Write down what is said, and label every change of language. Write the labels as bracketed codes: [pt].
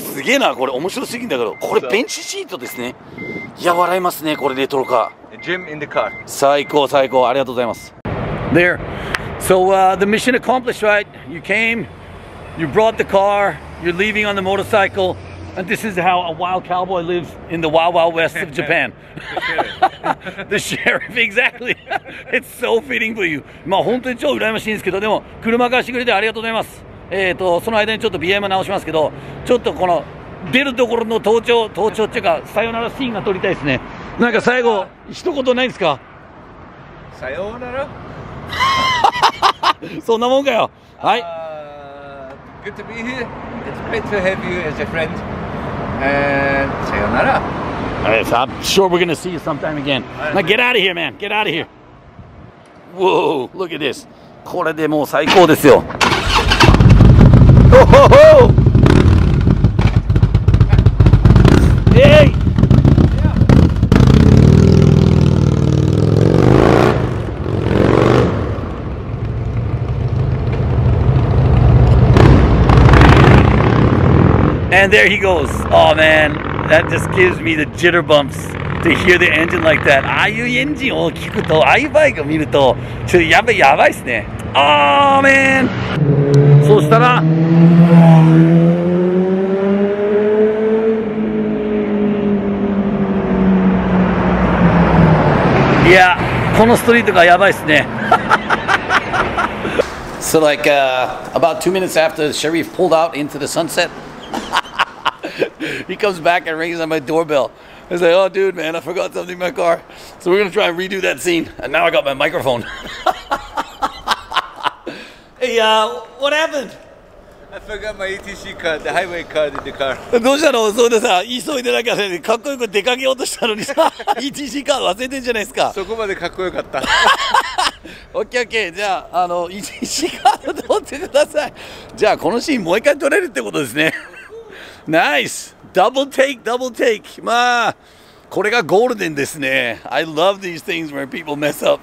[ja] すげえなこれ面白すぎんだけど。これベンチシートですね。いや笑いますねこれレトロか。 [en] Gym in the car. [ja] 最高最高ありがとうございます。 [en] There. So the mission accomplished, right? You came, you brought the car, you're leaving on the motorcycle, and this is how a wild cowboy lives in the wild, wild west of Japan. The sheriff. The sheriff, exactly. It's so fitting for you. [ja] まあ本当に超羨ましいんですけど、でも車貸してくれてありがとうございます。その間にちょっと BM 直しますけど、ちょっとこの出るところの盗聴っていうか、さよならシーンが撮りたいですね。なんか最後、一言ないですか? さよなら? そんなもんかよ。はい。 [en] Good to be here. It's great to have you as a friend. And さよなら。 Yes, I'm sure we're gonna see you sometime again. Now get out of here, man. Get out of here. Whoa, look at this. [ja] これでもう最高ですよ。 [en] Oh, oh, oh! Hey! And there he goes. Oh man, that just gives me the jitter bumps to hear the engine like that. [ja] ああいうエンジンを聞くと、ああいうバイクを見ると、ちょっとやばいっすね。 [en] Oh man! [ja] そしたら、いや、このストリートがやばいっすね。 [en] So like, about 2 minutes after Sharif pulled out into the sunset,He comes back and rings on my doorbell. I say, oh, dude, man, I forgot something in my car. So we're going to try and redo that scene. And now I got my microphone. Hey, what happened? I forgot my ETC card, the highway card in the car. [ja] どうしたの? そうでさ、急いでなきゃさ、かっこよく出かけようとしたのにさ、ETC カード忘れてんじゃないですか。そこまでかっこよかった。 OKOK、じゃあ、ETC カード取ってください。じゃあ、このシーンもう一回撮れるってことですね。 [en] Nice! Double take! [ja] まあ、これがゴールデンですね。 [en] I love these things where people mess up.